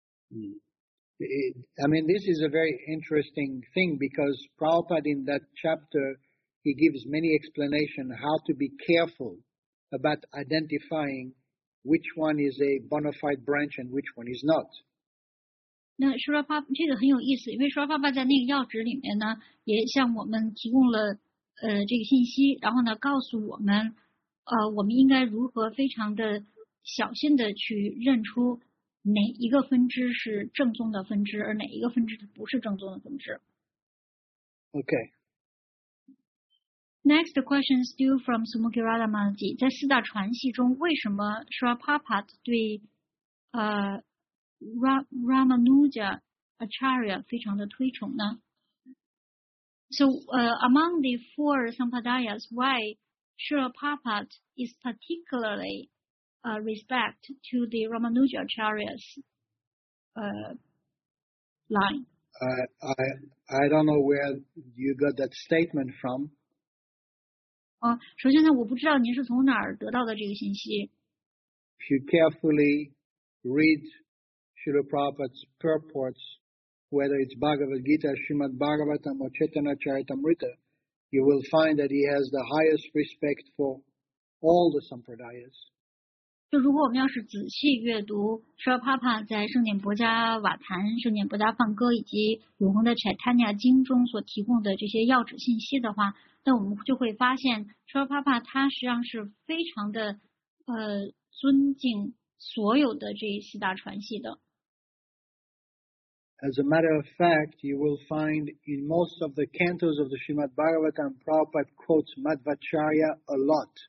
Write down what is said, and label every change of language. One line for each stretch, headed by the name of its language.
English: I mean, this is a very interesting thing because Prabhupada in that chapter, he gives many explanations how to be careful about identifying which one is a bona fide branch and which one is not.
Chinese: 那舒拉帕这个很有意思，因为舒拉帕爸在那个要旨里面呢，也向我们提供了这个信息，然后呢告诉我们我们应该如何非常的小心的去认出哪一个分支是正宗的分支，而哪一个分支不是正宗的分支。
English: Okay. Next question still from Sumukirada Manji.
Chinese: 在四大传系中，为什么 Shrapapat 对Ramanuja Acharya 非常的推崇呢？
English: So, among the four Sampadayas, why Shrapapat is particularlyrespect to the Ramanuja Acharya's line. I don't know where you got that statement from.
Chinese: 首先呢，我不知道您是从哪儿得到的这个信息。
English: If you carefully read Srila Prabhupada's purports, whether it's Bhagavad Gita, Srimad Bhagavatam, or Chaitanya Charitamrita, you will find that he has the highest respect for all the Sampradayas.
Chinese: 就如果我们要是仔细阅读舍帕帕在圣典博加瓦坛、圣典博加梵歌以及永恒的柴坦尼亚经中所提供的这些要旨信息的话，那我们就会发现舍帕帕他实际上是非常的尊敬所有的这四大传系的。
English: As a matter of fact, you will find in most of the cantos of the Srimad Bhagavatam, Prabhupada quotes Madhvacharya a lot.